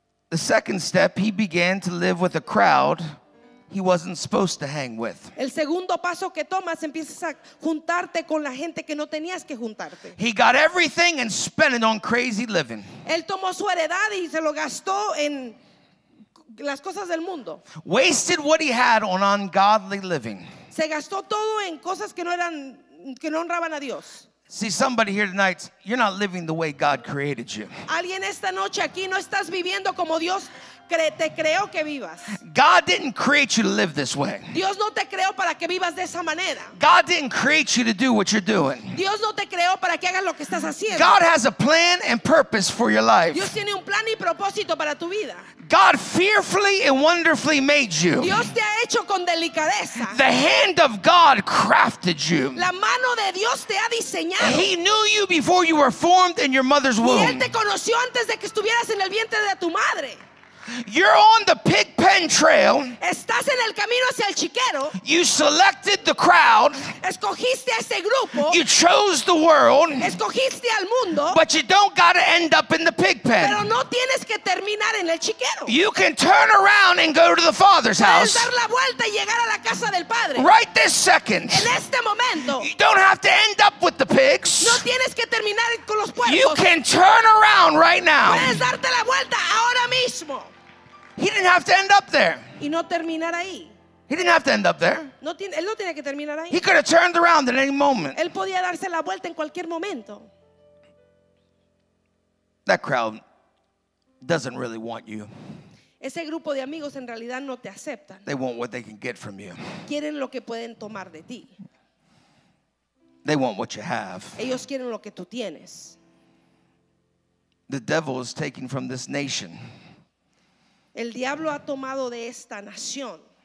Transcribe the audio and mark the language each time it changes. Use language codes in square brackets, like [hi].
[en] The second step, he began to live with a crowd he wasn't supposed to hang with. [es] El segundo paso que tomas, empiezas a juntarte con la gente que no tenías que juntarte. [en] He got everything and spent it on crazy living. [es] Él tomó su heredad y se lo gastó en las cosas del mundo. [en] Wasted what he had on ungodly living. [es] Se gastó todo en cosas que no honraban a Dios. [en] See, somebody here tonight, you're not living the way God created you. [es] Alguien esta noche aquí no estás viviendo como Dios te creó que vivas. [en] God didn't create you to live this way. [es] Dios no te creó para que vivas de esa manera. [en] God didn't create you to do what you're doing. [es] Dios no te creó para que hagas lo que estás haciendo. [en] God has a plan and purpose for your life. [es] Dios tiene un plan y propósito para tu vida. [en] God fearfully and wonderfully made you. [es] Dios te ha hecho con delicadeza. [en] The hand of God crafted you. [es] La mano de Dios te ha diseñado. [en] He knew you before you were formed in your mother's womb. [es] Y él te conoció antes de que estuvieras en el vientre de tu madre. [en] You're on the pig pen trail. [es] Estás en el camino hacia el chiquero. [en] You selected the crowd. [es] Escogiste a ese grupo. [en] You chose the world. [es] Escogiste al mundo. [en] But you don't got to end up in the pig pen. [es] Pero no tienes que terminar en el chiquero. [en] You can turn around and go to the Father's house. [es] Puedes dar la vuelta y llegar a la casa del Padre. [en] Right this second. [es] En este momento. [en] You don't have to end up with the pigs. [es] No tienes que terminar con los puercos. [en] You can turn around right now. [es] Puedes darte la vuelta ahora mismo. [en] He didn't have to end up there. [es] Y no terminar ahí. [en] He didn't have to end up there. [es] No tiene, él no tiene que terminar ahí. [en] He could have turned around at any moment. [es] Él podía darse la vuelta en cualquier momento. [en] That crowd doesn't really want you. [es] Ese grupo de amigos en realidad no te aceptan. [en] They want what they can get from you. [es] Quieren lo que pueden tomar de ti. [en] They want what you have. [es] Ellos quieren lo que tú tienes. [en] The devil is taking from this nation. [es] El diablo ha tomado de esta nación.